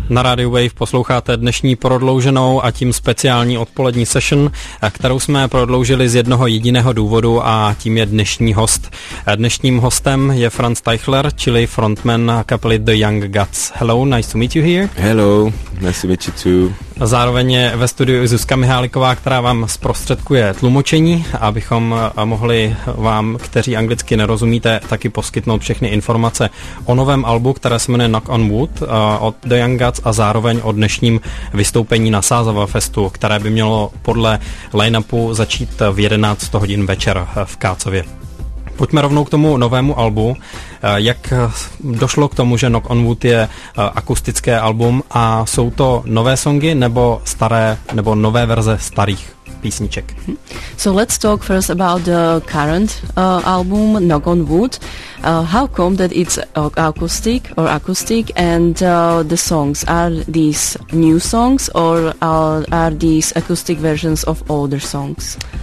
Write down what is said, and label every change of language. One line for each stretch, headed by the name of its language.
Czech: Na Radio Wave posloucháte dnešní prodlouženou a tím speciální odpolední session, kterou jsme prodloužili z jednoho jediného důvodu a tím je dnešní host. Dnešním hostem je Franz Teichler, čili frontman kapely The Young Gods.
English: Hello, nice to meet you here. Hello, nice to meet you too.
Czech: Zároveň je ve studiu Zuzka Mihályková, která vám zprostředkuje tlumočení, abychom mohli vám, kteří anglicky nerozumíte, taky poskytnout všechny informace o novém albu, které se jmenuje Knock on Wood od The Young Gods a zároveň o dnešním vystoupení na Sázava Festu, které by mělo podle line-upu začít v 11 hodin večer v Kácově. Pojďme rovnou k tomu novému albu. Jak došlo k tomu, že Knock on Wood je akustické album a jsou to nové songy nebo staré nebo nové verze starých písniček?
English: So let's talk first about the current album Knock on Wood. How come that it's acoustic or acoustic and the songs are these new songs or are these acoustic versions of older songs?